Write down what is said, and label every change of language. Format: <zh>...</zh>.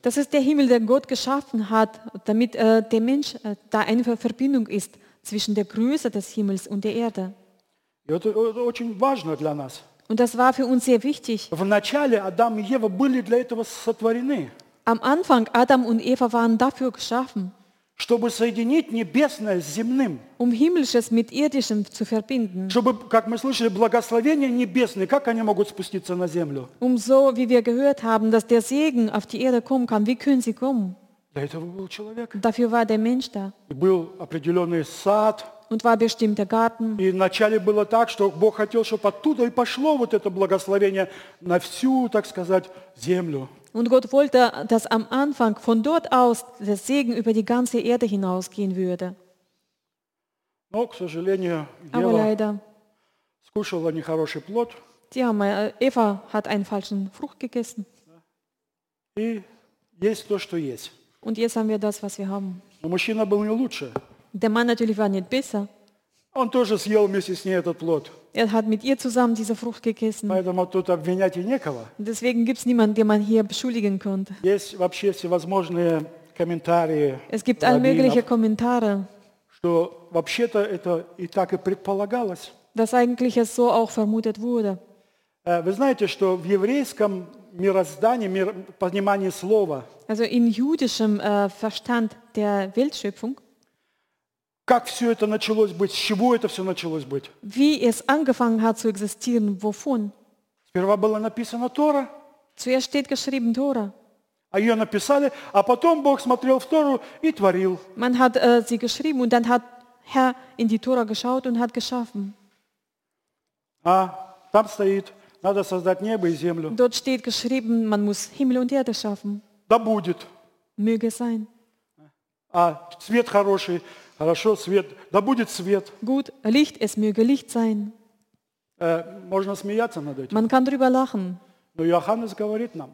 <de>Das ist der Himmel, den Gott geschaffen hat, damit der Mensch da eine Verbindung ist zwischen der Größe des Himmels und der Erde.</de> <ru>И это очень важно для нас.</ru> <de>Und das war für uns sehr wichtig.</de> <ru>В начале Адам и Ева были для этого сотворены.</ru> <de>Am Anfang Adam und Eva waren dafür geschaffen.</de> <ru>Чтобы соединить небесное с земным.</ru> <de>Um himmlisches mit irdischem zu verbinden.</de> <ru>Чтобы, как мы слышали, благословения небесные, как они могут спуститься на землю?</ru> <de>Um so, wie wir gehört haben, dass der Segen auf die Erde kommen kann, wie können sie kommen?</de> <ru>Для этого был человек.</ru> <de>Dafür war der Mensch da.</de> <ru>И был определенный сад.</ru> <de>Und war bestimmt der Garten.</de> <ru>И вначале было так, что Бог хотел, чтобы оттуда и пошло вот это благословение на всю, так сказать, землю.</ru> <de>Und Gott wollte, dass am Anfang von dort aus der Segen über die ganze Erde hinausgehen würde.</de> <ru>Но, к сожалению,</ru> <de>Aber leider,</de> <ru>скушала нехороший плод.</ru> <de>Eva hat einen falschen Frucht gegessen.</de> <ru>И есть то, что есть.</ru> <de>Und jetzt haben wir das, was wir haben.</de> <ru>Но мужчина был не лучше.</ru> <de>Der Mann natürlich war nicht besser.</de> <ru>Он тоже съел вместе с ней этот плод.</ru> <de>Er hat mit ihr zusammen diese Frucht gegessen.</de> <ru>Поэтому тут обвинять и некого.</ru> <de>Deswegen gibt's niemanden, den man hier beschuldigen könnte.</de> <ru>Есть вообще всевозможные комментарии.</ru> <de>Es gibt all mögliche Kommentare.</de> <ru>Что вообще-то это и так и предполагалось.</ru> <de>Dass eigentlich es so auch vermutet wurde.</de> <ru>Вы знаете, что в еврейском мироздании, мир, понимании слова.</ru> <de>Also im jüdischen Verstand der Weltschöpfung.</de> <ru>Как все это началось быть? С чего это все началось быть?</ru> <de>Wie es angefangen hat zu existieren, wovon?</de> <ru>Сперва было написано Тора.</ru> <de>Zuerst steht geschrieben Tora.</de> <ru>А ее написали, а потом Бог смотрел в Тору и творил.</ru> <de>Man hat sie geschrieben und dann hat Herr in die Tora geschaut und hat geschaffen.</de> <ru>А там стоит, надо создать небо и землю.</ru> <de>Dort steht geschrieben, man muss Himmel und Erde schaffen.</de> <ru>Да будет.</ru> <de>Möge sein.</de> <ru>А цвет хороший. Хорошо, свет. Да будет свет.</ru> <de>Gut, Licht, es möge Licht sein.</de> <ru>Можно смеяться над этим.</ru> <de>Man kann drüber lachen.</de> <ru>Но Йоханнес говорит нам.</ru>